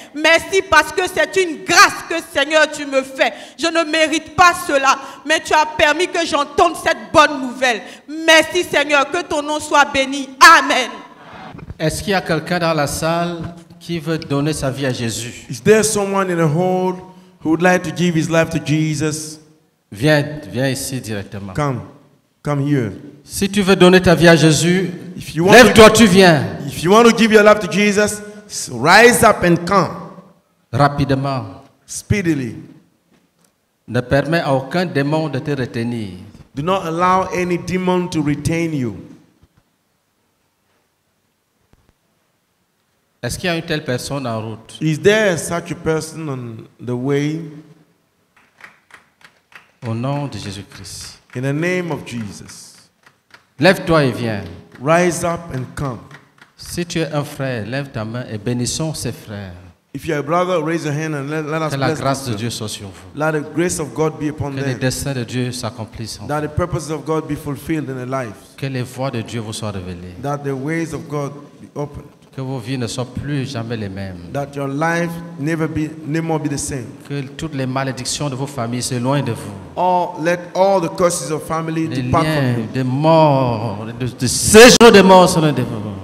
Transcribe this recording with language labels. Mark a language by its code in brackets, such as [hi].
[fr] Merci parce que c'est une grâce que, Seigneur, tu me fais. Je ne mérite pas cela, mais tu as permis que j'entende cette bonne nouvelle. Merci, Seigneur, que ton nom soit béni. Amen. Est-ce qu'il y a quelqu'un dans la salle qui veut donner sa vie à Jésus? [en] Is there someone in the hall who would like to give his life to Jesus? [fr] Viens, viens ici directement. [en] Come, come here. [fr] Si tu veux donner ta vie à Jésus, lève-toi, tu viens. [en] If you want to give your life to Jesus, rise up and come. [fr] Rapidement. [en] Speedily. [fr] Ne permets à aucun démon de te retenir. [en] Do not allow any demon to retain you. [fr] Est-ce qu'il y a une telle personne en route? [en] Is there such a person on the way? [fr] Au nom de Jésus-Christ. [en] In the name of Jesus. [fr] Lève-toi et viens. [en] Rise up and come. [fr] Si tu es un frère, lève ta main et bénissons ses frères. [en] If you are a brother, raise your hand and let us [fr] que la grâce de Dieu soit sur vous. [en] Let the grace of God be upon [fr] que [en] them. [fr] Que les desseins de Dieu s'accomplissent. [en] That the purposes of God be fulfilled in their lives. [fr] Que les voies de Dieu vous soient révélées. [en] That the ways of God be opened. [fr] Que vos vies ne soient plus jamais les mêmes. [en] That your life never be, never more be the same. [fr] Que toutes les malédictions de vos familles soient loin de vous. [en] Or let all the curses of family [fr] les [en] depart [fr] liens [en] from you. [fr] De mort, de séjour de mort soit loin de vous.